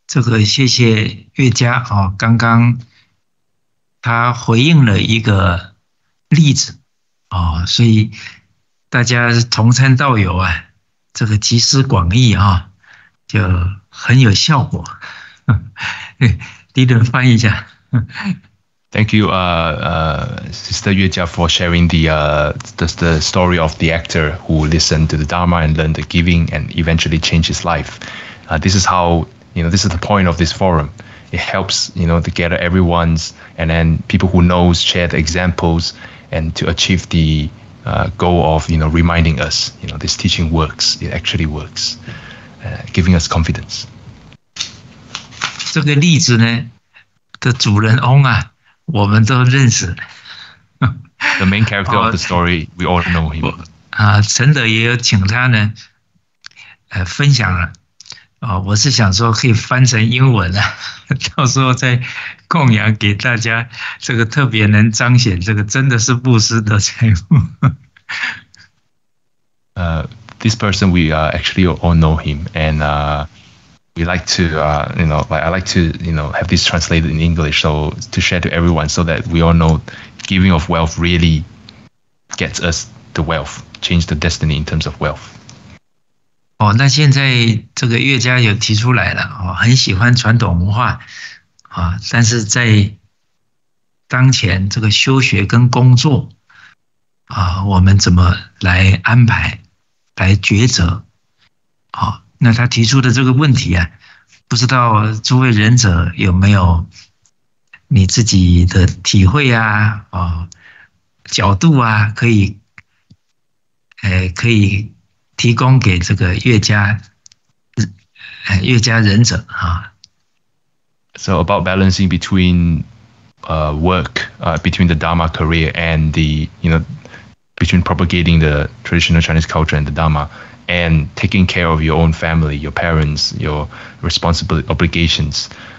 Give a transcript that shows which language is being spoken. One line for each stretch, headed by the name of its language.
Chinese: 好,这个谢谢月佳,刚刚他回应了一个例子, 哦，所以大家同参道友啊，这个集思广益啊，就很有效果。 Dylan 翻译一下。
English: Thank you, Sister Yue Jia, for sharing the story of the actor who listened to the Dharma and learned the giving and eventually changed his life. This is how, you know, this is the point of this forum. It helps, you know, to gather everyone's and then people who knows share the examples and to achieve the goal of, you know, reminding us, you know, this teaching works. It actually works, giving us confidence.
Chinese: 这个例子呢的主人翁啊我们都认识。
English: The main character of the story, we all know him.
Chinese: 成德也有请他呢分享了。我是想说可以翻成英文了到时候再供养给大家这个特别能彰显这个真的是布施的财富。
English: This person, we actually all know him, and we like to, you know, like I like to, you know, have this translated in English so to share to everyone so that we all know giving of wealth really gets us the wealth, change the destiny in terms of wealth.
Chinese: 哦，那现在这个乐家有提出来了，哦，很喜欢传统文化，啊，但是在当前这个修学跟工作，啊，我们怎么来安排，来抉择，啊。那他提出的这个问题啊，不知道诸位仁者有没有你自己的体会啊，角度啊，可以提供给这个乐家仁者啊。
English: So about balancing between work, between the Dharma career and the, you know, between propagating the traditional Chinese culture and the Dharma. And taking care of your own family, your parents, your responsibility obligations.